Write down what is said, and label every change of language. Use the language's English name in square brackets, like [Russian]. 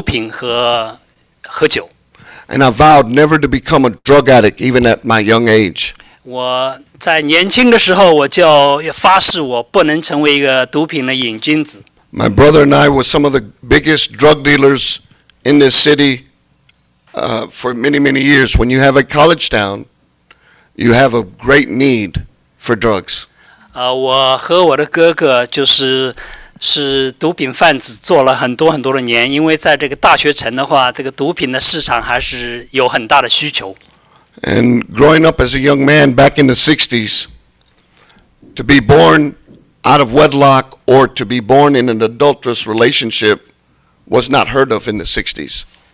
[Chinese] 所以在这样的环境中间，我长大的过程中间，我就开始尝试毒品和喝酒。 [English] And I vowed never to become a drug addict, even at my young age. [Chinese] 我在年轻的时候，我就发誓我不能成为一个毒品的瘾君子。 [English] My brother and I were some of the biggest drug dealers in this city for many, many years. When you have a college town, you have a great need for drugs. [Chinese] 我和我的哥哥就是毒品贩子做了很多很多的年，因为在这个大学城的话，这个毒品的市场还是有很大的需求。 [English] And growing up as a young man back in the 60s, to be born out of wedlock or to be born in an adulterous relationship was not heard of in the 60s.